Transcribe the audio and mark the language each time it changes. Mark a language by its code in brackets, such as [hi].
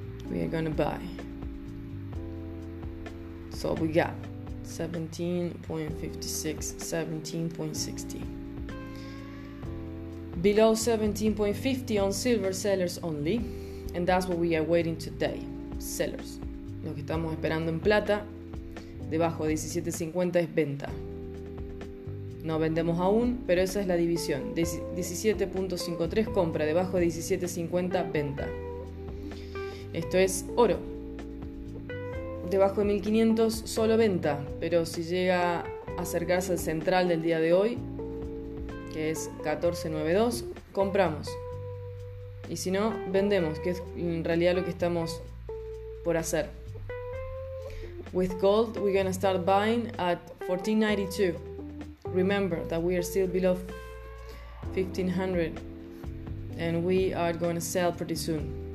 [en] We are gonna buy. So we got 17.56, 17.60. Below 17.50 on silver sellers only, and that's what we are waiting today. Sellers. [es] Lo que estamos esperando en plata, debajo de 17.50 es venta. No vendemos aún, pero esa es la división. 17.53 compra, debajo de 17.50 venta. Esto es oro. Debajo de 1.500 solo venta, pero si llega a acercarse al central del día de hoy, que es 14.92, compramos. Y si no, vendemos, que es en realidad lo que estamos por hacer. [en] With gold, we're gonna start buying at 14.92. Remember that we are still below 1500 and we are going to sell pretty soon.